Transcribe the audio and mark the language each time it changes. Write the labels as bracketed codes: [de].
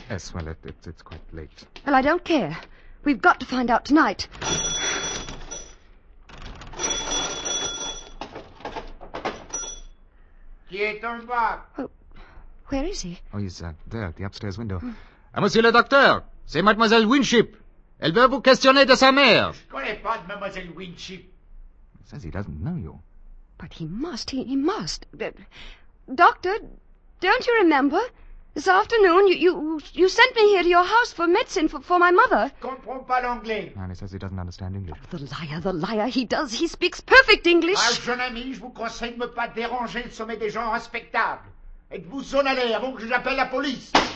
[en] Yes, well, it's quite late. Well, I don't care. We've got to find out tonight. [fr] Qui est en bas? [en] Oh, where is he? Oh, he's there at the upstairs window. [fr] Monsieur le docteur, c'est Mademoiselle Winship. Elle veut vous questionner de sa mère. Je connais pas de Mademoiselle Winship. [en] He says he doesn't know you. But he must, he must. Doctor, don't you remember? This afternoon, you sent me here to your house for medicine for my mother. [fr] Je comprends pas l'anglais. [en] And he says he doesn't understand English. Oh, the liar, he does. He speaks perfect English. [fr] Ah, jeune ami, je vous conseille de me pas déranger le sommet des gens respectables. Êtes-vous en allée avant que j'appelle la police?